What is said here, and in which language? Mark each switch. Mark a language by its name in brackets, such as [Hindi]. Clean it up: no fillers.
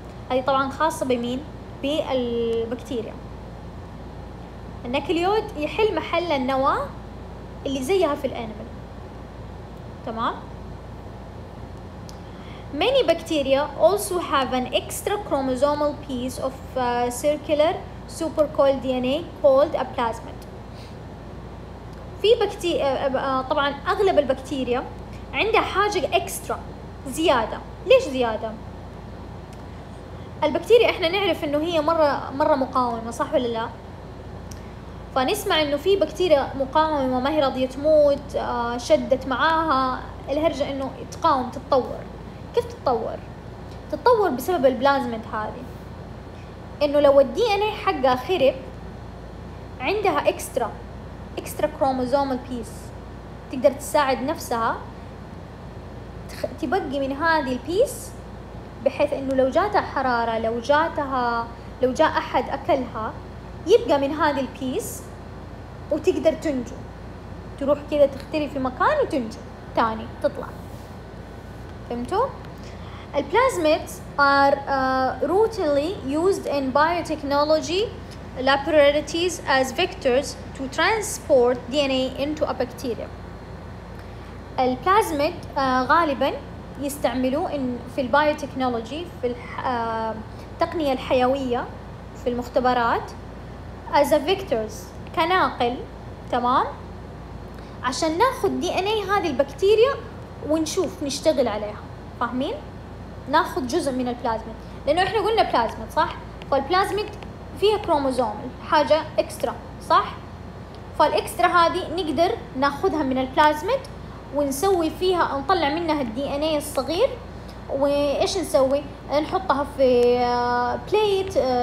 [Arabic] هذه طبعا خاصة بمين؟ بالبكتيريا. النكليود يحل محل النواة اللي زيها في الانيمال، تمام؟ [English] Many bacteria also have an extra chromosomal piece of circular supercoiled DNA called a plasmid. [Arabic] في بكتيريا طبعا اغلب البكتيريا عندها حاجة اكسترا زيادة. ليش زيادة؟ البكتيريا احنا نعرف انه هي مرة مقاومة، صح ولا لا؟ فنسمع انه في بكتيريا مقاومة ما هي راضية تموت، شدت معاها الهرجة انه تقاوم تتطور. كيف تتطور؟ تتطور بسبب البلازمنت هذه، انه لو الدي ان اي حقها خرب عندها اكسترا كروموزومال بيس تقدر تساعد نفسها تبقي من هذه البيس، بحيث انه لو جاتها حرارة، لو جاء احد اكلها يبقى من هذه البيس وتقدر تنجو، تروح كذا تختلي في مكان وتنجو تاني تطلع. فهمتوا؟ [English] البلازميدز are routinely used in biotechnology laboratories as vectors to transport DNA into a bacteria. [Arabic] البلازميد غالبا يستعملوه في البيوتكنولوجي، في التقنية الحيوية، في المختبرات [English] as a vectors [Arabic] كناقل، تمام؟ عشان ناخذ دي ان اي هذه البكتيريا ونشوف نشتغل عليها، فاهمين؟ ناخذ جزء من البلازميد، لانه احنا قلنا بلازميد صح، فالبلازميد فيها كروموزوم حاجه اكسترا صح، فالاكسترا هذه نقدر ناخذها من البلازميد ونسوي فيها نطلع منها الدي ان اي الصغير، وايش نسوي؟ نحطها في بليت،